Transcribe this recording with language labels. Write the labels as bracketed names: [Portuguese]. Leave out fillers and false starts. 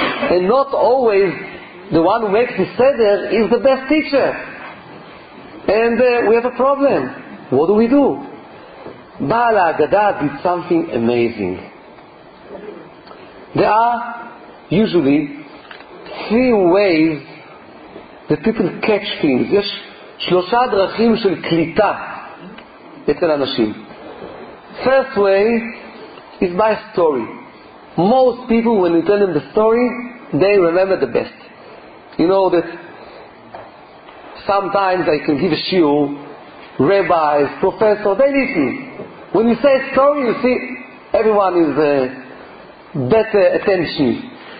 [English] And not always the one who makes the seder is the best teacher. And we have a problem. What do we do? Baal HaGadah did something amazing. There are usually three ways that people catch things. [Hebrew] יש שלושה דרכים של קליטה אצל אנשים. [English] First way is by story. Most people, when you tell them the story, they remember the best. You know that sometimes I can give a shiur, rabbis, professors, they listen. When you say a story, you see everyone is better attention.